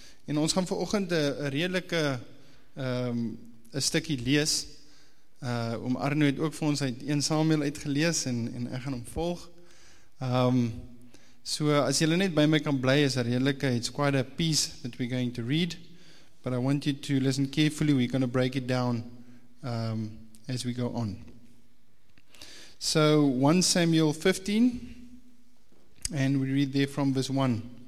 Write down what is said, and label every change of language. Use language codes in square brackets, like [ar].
[af] En ons gaan vanoggend 'n redelike 'n stukkie lees. Oom Arno het ook vir ons uit 1 Samuel uitgelees en ek gaan hom volg. So as julle net by my kan bly, is 'n redelike, [en] it's quite a piece that we're going to read, but I want you to listen carefully. We're going to break it down as we go on. So 1 Samuel 15, and we read there from verse 1.